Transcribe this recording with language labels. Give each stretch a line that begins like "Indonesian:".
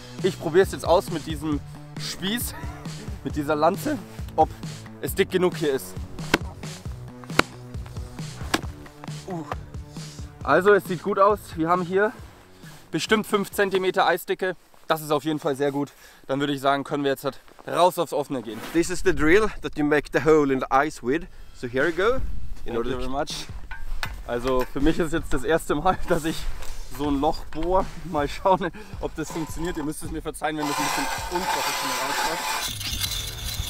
German: Ich probiere es jetzt aus mit diesem Spieß, mit dieser Lanze, ob es dick genug hier ist. Also es sieht gut aus, wir haben hier bestimmt 5 cm Eisdicke, das ist auf jeden Fall sehr gut. Dann würde ich sagen, können wir jetzt halt raus aufs Offene gehen.
English: This is the drill that you make the hole in the ice with, so here you go. Thank you very much.
German: Also für mich ist jetzt das erste Mal, dass ich so ein Loch bohre. Mal schauen, ob das funktioniert. Ihr müsst es mir verzeihen, wenn das ein bisschen unprofessionell rauskommt.